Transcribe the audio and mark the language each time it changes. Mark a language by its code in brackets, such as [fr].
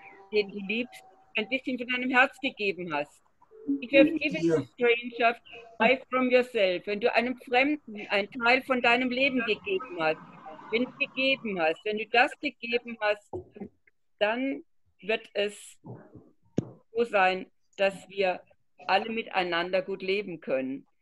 [de] den du liebst, ein bisschen von deinem Herz gegeben hast. [en] If you have given to strangers, life from yourself. [de] Wenn du einem Fremden einen Teil von deinem Leben gegeben hast, wenn du gegeben hast, wenn du das gegeben hast, dann wird es so sein, dass wir alle miteinander gut leben können.